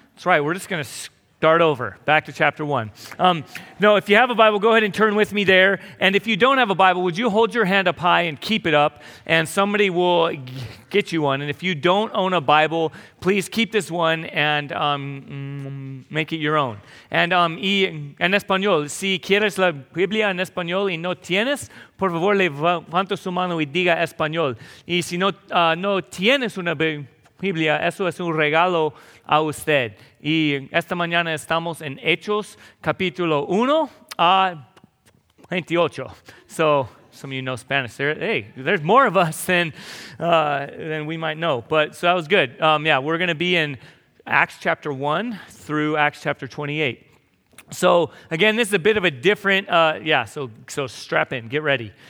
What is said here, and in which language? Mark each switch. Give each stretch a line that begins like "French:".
English: That's right, we're just going to start over, back to chapter 1. If you have a Bible, go ahead and turn with me there. And if you don't have a Bible, would you hold your hand up high and keep it up, and somebody will get you one. And if you don't own a Bible, please keep this one and make it your own.
Spanish: And en español, si quieres la Biblia en español y no tienes, por favor levanta su mano y diga español. Y si no tienes una Biblia, eso es un regalo a usted. Y esta mañana estamos en Hechos, capítulo 1 a 28.
English: So, some of you know Spanish. There's more of us than we might know. But, so that was good. We're going to be in Acts chapter 1 through Acts chapter 28. So, again, this is a bit of a different, so strap in, get ready.